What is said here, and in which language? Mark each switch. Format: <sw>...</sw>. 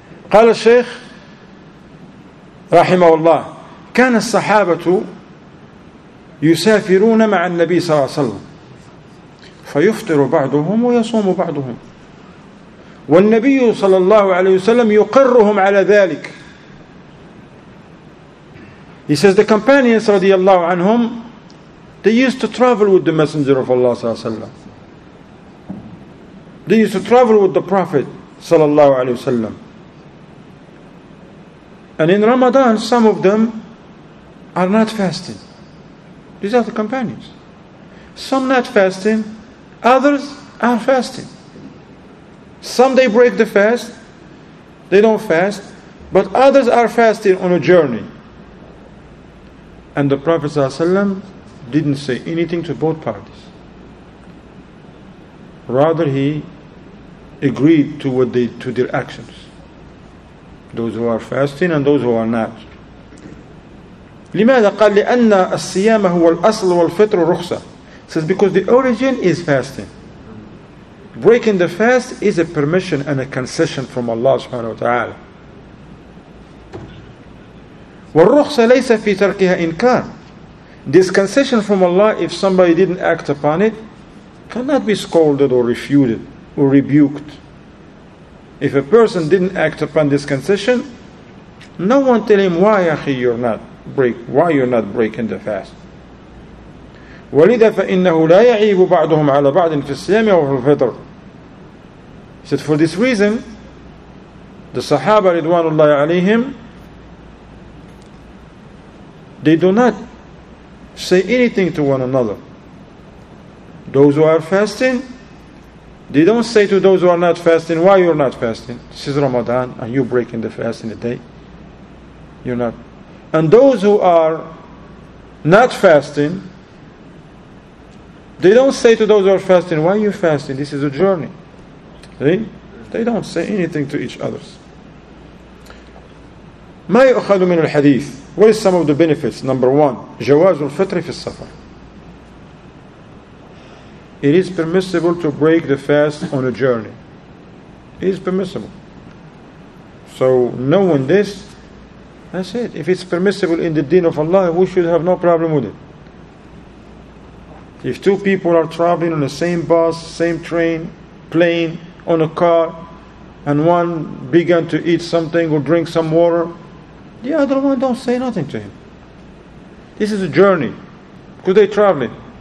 <ar>قال الشيخ رحمه الله كان الصحابة يسافرون مع النبي صلى الله عليه وسلم فيفطر بعضهم ويصوم بعضهم والنبي صلى الله عليه وسلم يقرهم على ذلك.</ar> <en>He says the companions</en> <ar>رضي الله عنهم,</ar> <en>they used to travel with the Messenger of Allah</en> <ar>صلى الله عليه وسلم.</ar> <en>They used to travel with the Prophet</en> <ar>صلى الله عليه وسلم.</ar> <en>And in Ramadan, some of them are not fasting. These are the companions. Some not fasting, others are fasting. Some they break the fast, they don't fast, but others are fasting on a journey. And the Prophet ﷺ didn't say anything to both parties. Rather, he agreed to what they to their actions. Those who are fasting and those who are not.</en> <ar>لماذا قال لأن الصيام هو الأصل والفطر رخصة.</ar> <en>Says because the origin is fasting. Breaking the fast is a permission and a concession from Allah subhanahu wa ta'ala.</en> <ar>والرخصة ليس في تركها إنكار.</ar> <en>This concession from Allah, if somebody didn't act upon it, cannot be scolded or refuted or rebuked. If a person didn't act upon this concession, no one tell him why, akhi, you're not break, why you're not breaking the fast.</en> <ar>وَلِذَا فَإِنَّهُ لَا يَعِيبُ بَعْضُهُمْ عَلَى بَعْضٍ فِي السِّيَامِ وَفِي الْفِطْرِ.</ar> <en>He said, for this reason, the Sahaba Ridwanullah alayhim, they do not say anything to one another. Those who are fasting, they don't say to those who are not fasting, why you're not fasting? This is Ramadan, and you're breaking the fast in a day. You're not. And those who are not fasting, they don't say to those who are fasting, why are you fasting? This is a journey. See? They don't say anything to each other.</en> <ar>ما يؤخذ من الحديث?</ar> <en>What is some of the benefits? Number one,</en> <ar>جواز الفطر في السفر.</ar> <en>It is permissible to break the fast on a journey. It is permissible. So knowing this, that's it. If it's permissible in the deen of Allah, we should have no problem with it. If two people are traveling on the same bus, same train, plane, on a car, and one began to eat something or drink some water, the other one don't say nothing to him. This is a journey. Because they're traveling.</en>